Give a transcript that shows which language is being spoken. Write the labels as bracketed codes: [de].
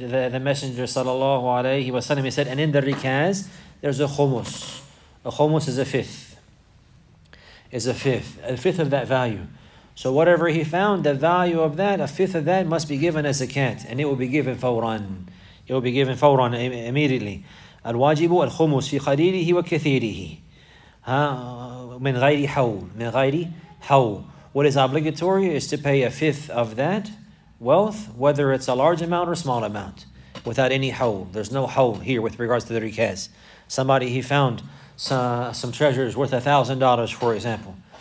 [en] The Messenger sallallahu alaihi wasallam said, and in the rikaz, there's a khumus. A khumus is a fifth. A fifth of that value. So whatever he found, the value of that, a fifth of that must be given as zakat. And it will be given fawran. It will be given fawran immediately. [ar] الواجب الخمس في قليله وكثيره. من غير حول. من غير حول. [en] What is obligatory is to pay a fifth of that wealth, whether it's a large amount or a small amount, without any haul. There's no haul here with regards to the rikaz. Somebody, he found some treasures worth $1,000, for example.